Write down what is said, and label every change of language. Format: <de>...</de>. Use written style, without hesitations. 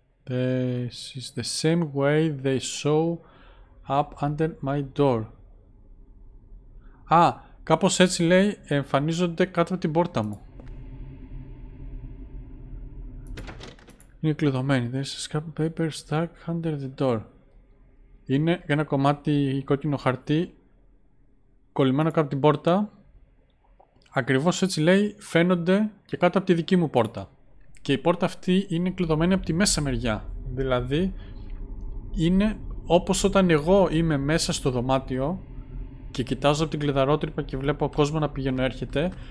<en>This is the same way they show up under my door.</en> <el>Α, κάπως έτσι λέει, εμφανίζονται κάτω από την πόρτα μου. Είναι κλειδωμένη.</el> <en>There's a scrap paper stuck under the door.</en> <el>Είναι ένα κομμάτι κόκκινο χαρτί κολλημένο κάτω από την πόρτα. Ακριβώς έτσι λέει, φαίνονται και κάτω από τη δική μου πόρτα. Και η πόρτα αυτή είναι κλειδωμένη από τη μέσα μεριά. Δηλαδή, είναι όπως όταν εγώ είμαι μέσα στο δωμάτιο και κοιτάζω από την κλειδαρότρυπα και βλέπω ο κόσμο να πηγαίνω έρχεται.</el>